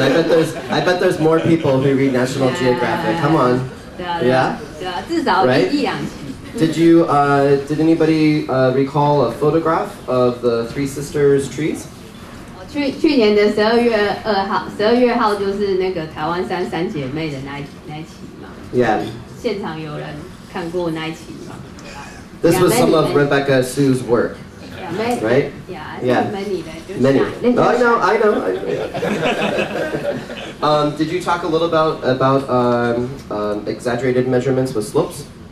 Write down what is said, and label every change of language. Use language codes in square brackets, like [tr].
[en] I bet there's more people who read National Geographic. Come on. Yeah? Right? Did anybody recall a photograph of the Three Sisters trees? [zh] 去年的12月2号就是那个台湾山三姐妹的那一期嘛。 [en] Yeah. [zh] 现场有人看过那一期。 [en] This was some of Rebecca Su's work, right? Yeah, many. I know. Yeah. Did you talk a little about exaggerated measurements with slopes?